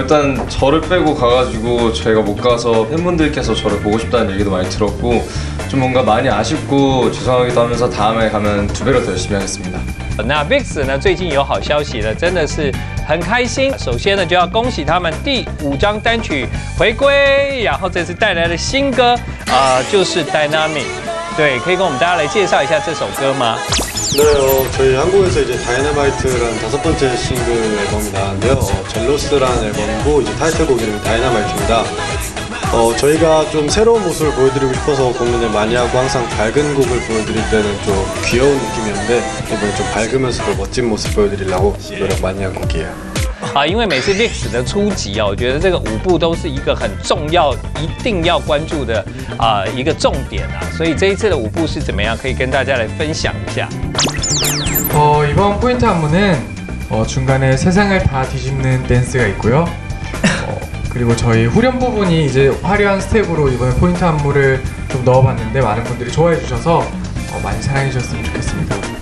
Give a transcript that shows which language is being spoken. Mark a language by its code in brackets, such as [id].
[ko] 일단 저를 빼고 가가지고 저희가 못 가서 팬분들께서 저를 보고 싶다는 얘기도 많이 들었고 좀 뭔가 많이 아쉽고 죄송하기도 하면서 다음에 가면 두 배로 더 열심히 하겠습니다. [zh] 那 VIX 呢最近有好消息了，真的是很开心。首先呢就要恭喜他们第五张单曲回归，然后这次带来的新歌啊就是 Dynamite。对，可以跟我们大家来介绍一下这首歌吗？ [ko] 네, 저희 한국에서 이제 다이너마이트라는 다섯 번째 싱글 앨범이 나왔는데요. 젤로스라는 앨범이고 이제 타이틀곡 이름이 다이너마이트입니다. 저희가 좀 새로운 모습을 보여드리고 싶어서 고민을 많이 하고 항상 밝은 곡을 보여드릴 때는 좀 귀여운 느낌이었는데 이번에 좀 밝으면서도 멋진 모습 보여드리려고 노력 많이 한 곡이에요. [zh] 因为每次 VIX 的初级啊，我觉得这个舞步都是一个很重要、一定要关注的一个重点啊。所以这一次的舞步是怎么样？可以跟大家来分享一下。 [ko] 이번 포인트 안무는 중간에 세상을 다 뒤집는 댄스가 있고요. 그리고 저희 후렴 부분이 이제 화려한 스텝으로 이번 포인트 안무를 좀 넣어봤는데 많은 분들이 좋아해 주셔서 많이 사랑해 주셨으면 좋겠습니다.